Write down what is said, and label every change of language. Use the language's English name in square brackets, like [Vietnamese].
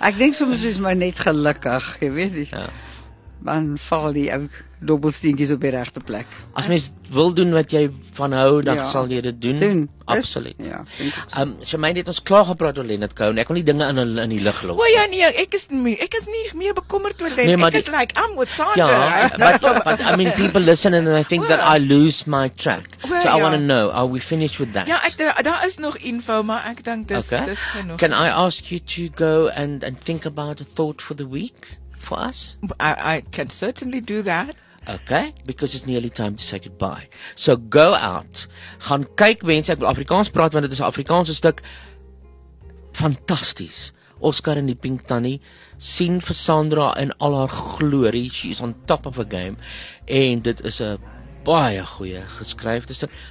[Afrikaans] Ek denk soms is my net gelukkig, jy weet nie. Dan val die ook dobbelsteentjies op die rechte plek. As mens wil doen wat jy van hou, dan sal jy dit doen. Doen. Absoluut. Ja, Jermaine het ons klaar gepraat oor Leonard Cohen. Ek wil die dinge in die lig los. O ja, nee, ek is nie meer bekommerd oor dit. Nee, ek is like, [English] I'm with Sandra. Ja, but I mean, people listen and I think that I lose my track. So I want to know, are we finished with that? [Afrikaans] Ja, daar is nog info, maar ek dink dis genoeg. [English] Can I ask you to go and think about a thought for the week? For us? I can certainly do that. Okay, because it's nearly time to say goodbye. So go out. [Afrikaans] Gaan kyk mense, ek wil Afrikaans praat want dit is 'n Afrikaanse stuk. Fantasties. Oscar en die Pink Tannie sien vir Sandra in al haar glorie. [English] She is on top of a game [Afrikaans] en dit is 'n baie goeie geskryfde stuk.